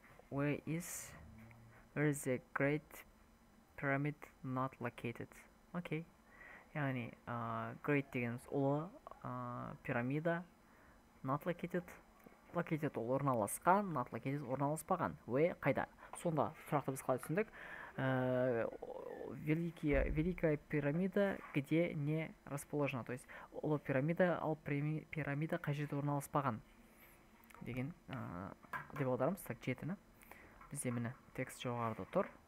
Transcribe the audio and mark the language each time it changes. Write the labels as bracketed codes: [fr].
[en] Where is the Great Pyramid not located? Okay. [kk] Яғни [en] Great [kk] дегеніміз ұлы пирамида [en] not located. Located [kk] орналасқан, [en] not located [kk] орналаспаған. Ой, қайда? Сонда сұрақты біз қалай түсіндік? [ru] Великая пирамида где не расположена? То есть, [kk] ол пирамида, ал пирамида қай жерде орналаспаған? Деген, деп аударамыз, [ru] так, [kk] жетіні. Бізде міне текст жоғарыда тұр.